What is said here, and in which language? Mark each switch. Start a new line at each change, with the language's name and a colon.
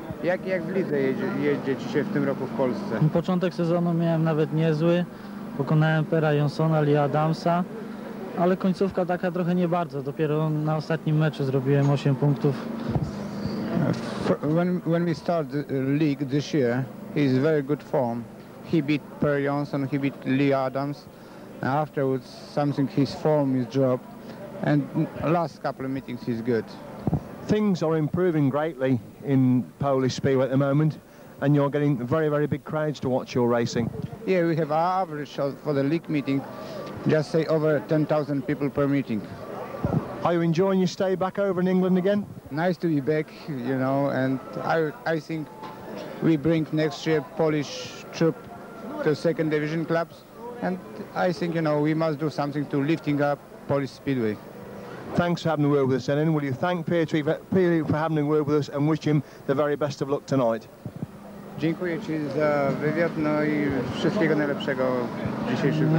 Polish: Jak w lidze jeździ ci się w tym roku w Polsce? Początek sezonu miałem nawet niezły. Pokonałem Pera Jonsona, Lee Adamsa. Ale końcówka taka trochę nie bardzo. Dopiero na ostatnim meczu zrobiłem 8 punktów.
English: When we start the league this year, he's very good form. He beat Per Jonsson, he beat Lee Adams. Afterwards, something his form is dropped. And last couple of meetings, he's good. Things are improving greatly in Polish speed at the moment, and you're getting very, very big crowds to watch your racing. Yeah, we have an average for the league meeting, just say over 10,000 people per meeting. Are you enjoying your stay back over in England again? Nice to be back, you know, and I think we bring next year Polish troop to second division clubs, and I think, you know, we must do something to lifting up Polish speedway. Thanks for having a word with us, Lenin. Will you thank Pietri for having a word with us and wish him the very best of luck tonight?
Polish: Dziękuję Ci za wywiad, no I wszystkiego najlepszego dzisiejszego.